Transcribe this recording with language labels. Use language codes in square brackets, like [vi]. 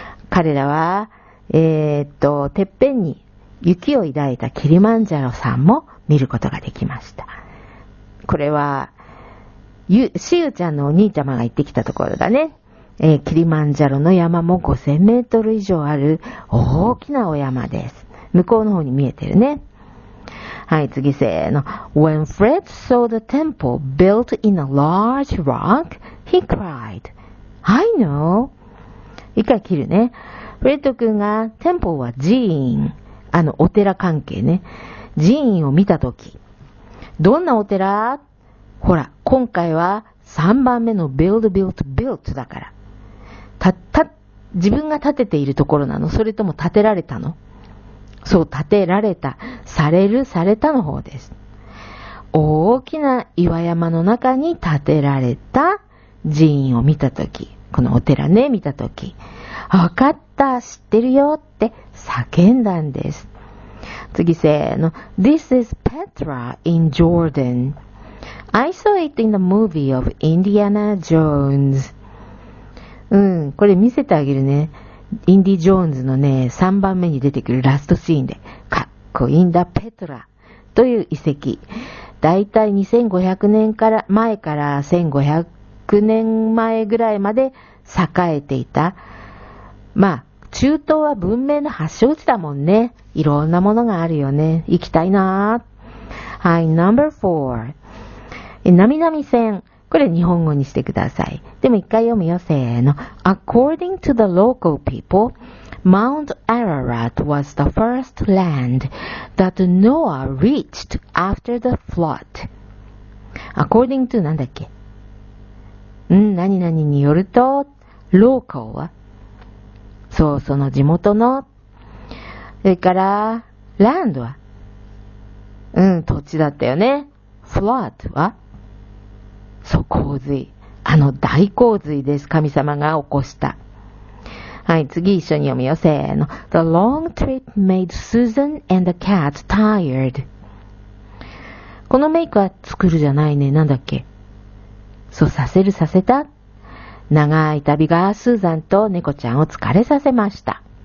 [ja] 彼らは、てっぺんに雪を抱いたキリマンジャロさんも見ることができました。これは、しゆちゃんのお兄ちゃまが行ってきたところだね。キリマンジャロの山も5000メートル以上ある大きなお山です。向こうの方に見えてるね。はい、次せーの。 [en] When Fred saw the temple built in a large rock, he cried. I know. [ja] 一回切るね。フレッド君が、テンポは寺院。お寺関係ね。寺院を見たとき。どんなお寺？ほら、今回は3番目の built だから。自分が建てているところなの？それとも建てられたの？そう、建てられた、される、されたの方です。大きな岩山の中に建てられた寺院を見たとき、このお寺ね、見たとき、わかった、知ってるよって叫んだんです。次せーの。 [en] This is Petra in Jordan. I saw it in the movie of Indiana Jones. [ja] これ見せてあげるね。インディ・ジョーンズのね、3番目に出てくるラストシーンで、かっこいいんだ、ペトラという遺跡。だいたい2500年前から1500年前ぐらいまで栄えていた。まあ、中東は文明の発祥地だもんね。いろんなものがあるよね。行きたいなぁ。はい、ナンバー4。なみなみ線。これ日本語にしてください。でも一回読むよ、せーの。 [en] According to the local people, Mount Ararat was the first land that Noah reached after the flood. According to [ja] なんだっけ？うん、何々によると、ローカルは、そう、その地元の、それから、ランドは、うん、土地だったよね。フラットは、そう、洪水。あの大洪水です。神様が起こした。はい、次一緒に読みよ。せーの。 [en] The long trip made Susan and the cat tired. [ja] このメイクは作るじゃないね。なんだっけ。そう、させる、させた。長い旅がスーザンと猫ちゃんを疲れさせました。